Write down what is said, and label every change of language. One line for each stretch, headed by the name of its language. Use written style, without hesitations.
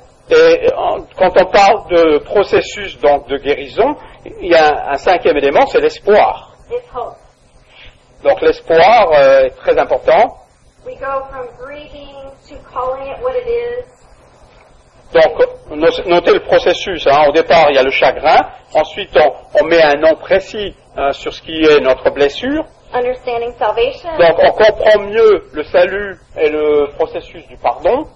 French: Et quand on parle de processus donc de guérison, il y a un cinquième élément, c'est l'espoir. Donc l'espoir est très important.
English: We go from grieving to calling it what it is.
French: Donc, notez le processus. Hein. Au départ, il y a le chagrin. Ensuite, on met un nom précis sur ce qui est notre blessure.
English: Understanding salvation.
French: Donc, on comprend mieux le salut et le processus du pardon.